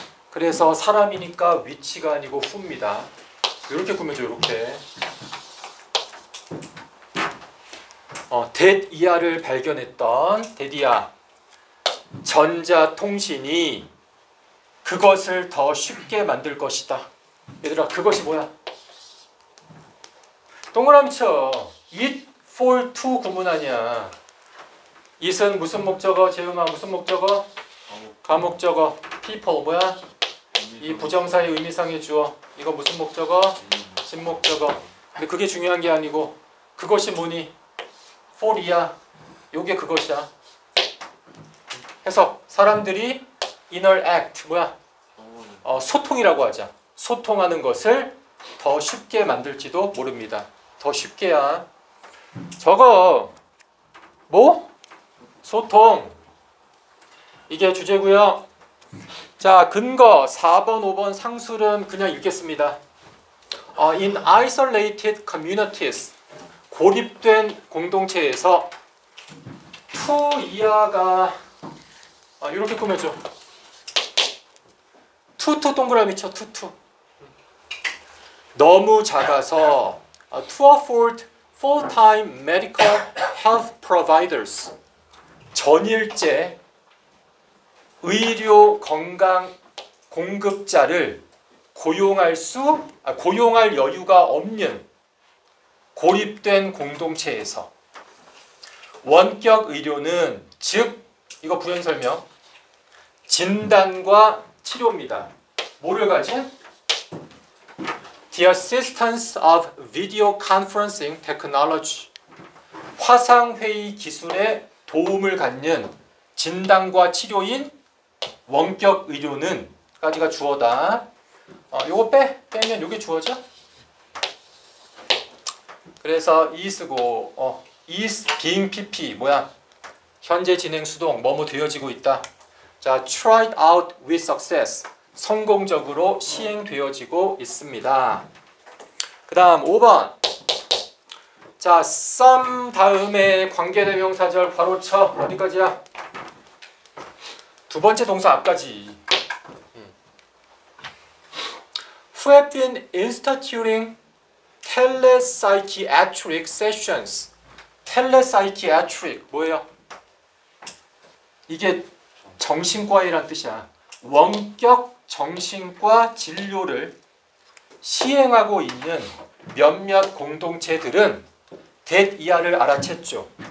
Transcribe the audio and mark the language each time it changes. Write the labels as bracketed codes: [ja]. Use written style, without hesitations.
[ko] 그래서 사람이니까 위치가 아니고 후입니다. 이렇게 꾸며줘, 이렇게. 데디아를 발견했던 데디아. 전자통신이 그것을 더 쉽게 만들 것이다. 얘들아, 그것이 뭐야? 동그라미 쳐. It for to 구문 아니야. It은 무슨 목적어? 재음아, 무슨 목적어? 가목적어. People 뭐야? 이 부정사의 의미상의 주어. 이거 무슨 목적어? 진목적어. 근데 그게 중요한 게 아니고 그것이 뭐니? For이야. 요게 그것이야. 해석. 사람들이 interact 뭐야? 소통이라고 하자. 소통하는 것을 더 쉽게 만들지도 모릅니다. 더 쉽게야. 저거 뭐? 소통. 이게 주제고요. 자, 근거 4번, 5번 상술은 그냥 읽겠습니다. In isolated communities, 고립된 공동체에서 to 이하가 이렇게 꾸며줘. 투투 동그라미 쳐, 투투. [en] 너무 작아서 to afford full-time medical health providers. [ko] 전일제 의료 건강 공급자를 고용할 여유가 없는 고립된 공동체에서 원격 의료는 즉 이거 부연 설명 진단과 치료입니다. 뭐를 가진? [en] The assistance of video conferencing technology. [ko] 화상 회의 기술의 도움을 갖는 진단과 치료인 원격 의료는 까지가 주어다. 요거 빼. 빼면 요게 주어져. 그래서 is고 is being pp 뭐야? 현재 진행 수동 뭐뭐 되어지고 있다. [en] 자, tried out with success. [ko] 성공적으로 시행되어지고 있습니다. 그다음 5번. 자, some 다음에 관계대명사절 바로 쳐. 어디까지야? 두 번째 동사 앞까지. [en] Who have been instituting telepsychiatric sessions? [ko] Telepsychiatric 뭐예요? 이게 정신과이란 뜻이야. 원격 정신과 진료를 시행하고 있는 몇몇 공동체들은 that 이하를 알아챘죠.